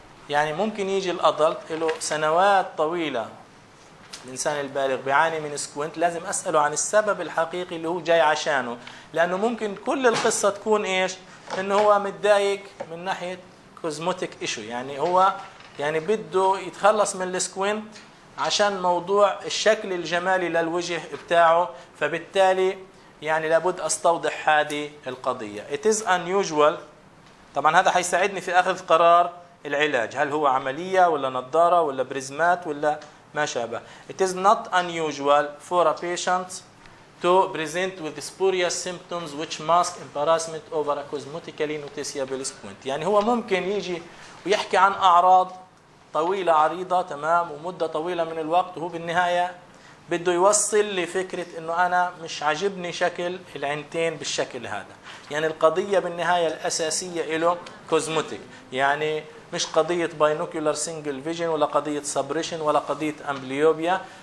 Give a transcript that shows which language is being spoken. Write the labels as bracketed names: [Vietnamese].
[Arabic] يعني ممكن يجي الأدلت له سنوات طويلة، الإنسان البالغ بيعاني من سكوينت، لازم أسأله عن السبب الحقيقي اللي هو جاي عشانه، لأنه ممكن كل القصة تكون إيش؟ إنه هو متضايق من ناحية كوزموتيك إيشو، يعني هو يعني بده يتخلص من السكوينت عشان موضوع الشكل الجمالي للوجه بتاعه، فبالتالي يعني لابد استوضح هذه القضية. [English] It is unusual. [Arabic] طبعا هذا حيساعدني في اخذ قرار العلاج، هل هو عملية ولا نظارة ولا بريزمات ولا ما شابه. [English] It is not unusual for a patient to present with spurious symptoms which mask embarrassment over a cosmetically noticeable squint. [Arabic] يعني هو ممكن يجي ويحكي عن اعراض طويلة عريضة تمام ومدة طويلة من الوقت، وهو بالنهاية بده يوصل لفكرة انه انا مش عاجبني شكل العينتين بالشكل هذا. يعني القضية بالنهاية الاساسية له كوزموتيك، يعني مش قضية باينوكيولار سنجل فيجن ولا قضية سبريشن ولا قضية امبليوبيا.